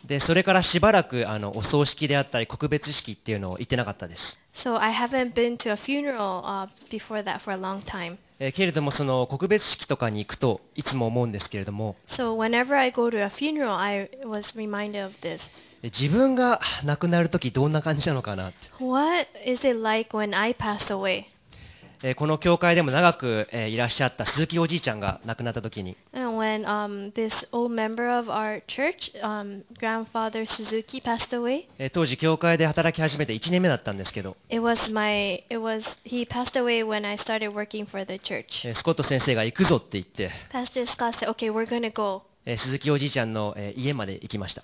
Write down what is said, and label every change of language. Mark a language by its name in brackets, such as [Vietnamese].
[Japanese] で、それからしばらくお葬式であったり告別式っていうのを行ってなかったです。 [English] So I haven't been to a funeral before that for a long time. [Japanese] けれどもその告別式とかに行くといつも思うんですけれども。 [English] So whenever I go to a funeral, I was reminded of this. [Japanese] 自分が亡くなるときどんな感じなのかなって。 [English] What is it like when I pass away? [Japanese] この教会でも長くいらっしゃった鈴木おじいちゃんが亡くなった時に、 [English] When, this old member of our church, grandfather Suzuki passed away. [Japanese] 当時教会で働き始めて1年目だったんですけど、 [English] he passed away when I started working for the church. [Japanese] スコット先生が行くぞって言って、 [English] Pastor Scott said, "Okay, we're gonna go." [Japanese] 鈴木おじいちゃんの家まで行きました。